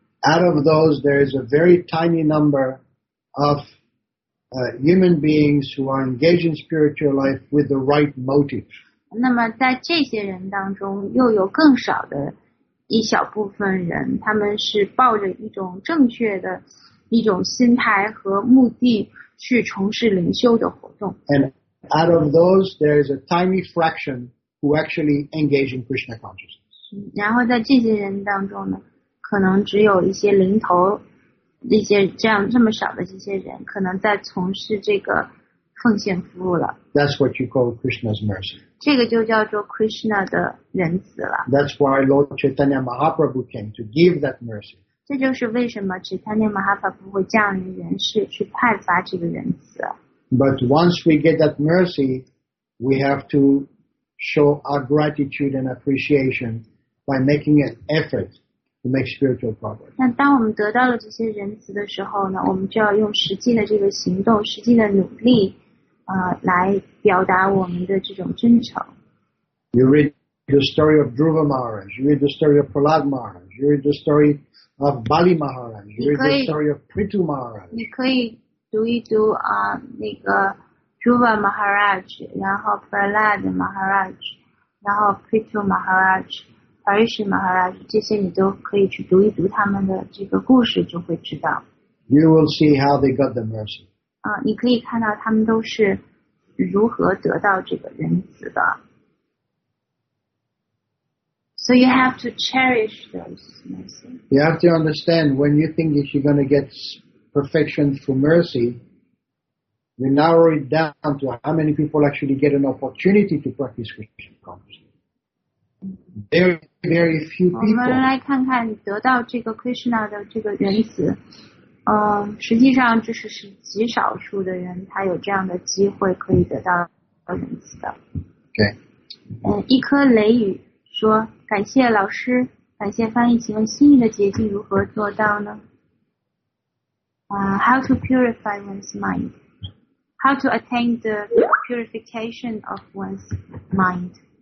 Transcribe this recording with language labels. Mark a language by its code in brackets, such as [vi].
[en] Out of those, there is a very tiny number of human beings who are engaged in spiritual life with the right motive. [zh] 那么在这些人当中又有更少的一小部分人，他们是抱着一种正确的一种心态和目的去从事灵修的活动。 [en] And out of those, there is a tiny fraction who actually engage in Krishna consciousness. [zh] 然后在这些人当中呢，可能只有一些零头，一些这样这么少的这些人，可能在从事这个奉献服务了。 [en] That's what you call Krishna's mercy. [zh] 这个就叫做 Krishna 的仁慈了。 [en] That's why Lord Chaitanya Mahaprabhu came to give that mercy. [zh] 这就是为什么 Chaitanya Mahaprabhu 会降临人世去派发这个仁慈。 [en] But once we get that mercy, we have to show our gratitude and appreciation by making an effort to make spiritual progress. [zh] 那当我们得到了这些仁慈的时候呢，我们就要用实际的这个行动，实际的努力，来表达我们的这种真诚。 [en] You read the story of Dhruva Maharaj, you read the story of Prahlad Maharaj, you read the story of Bali Maharaj, you read the story of Prithu Maharaj. [zh] 你可以读一读啊，那个 Dhruva Maharaj, 然后 Prahlad Maharaj, 然后 Prithu Maharaj, Parishi Maharaj, 这些你都可以去读一读他们的这个故事，就会知道。 [en] You will see how they got the mercy. [zh] 啊，你可以看到他们都是如何得到这个仁慈的。 [en] So you have to cherish those mercy. You have to understand when you think that you're going to get. Perfection through mercy, we narrow it down to how many people actually get an opportunity to practice Krishna consciousness. Very, very few people. [zh] 我们来看看得到这个 Krishna 的这个仁慈，实际上就是极少数的人，他有这样的机会可以得到仁慈的。 [en] Okay. [zh] 一颗雷雨说：“感谢老师，感谢翻译，请问心意的捷径如何做到呢？” [en] How to purify one's mind? How to attain the purification of one's mind?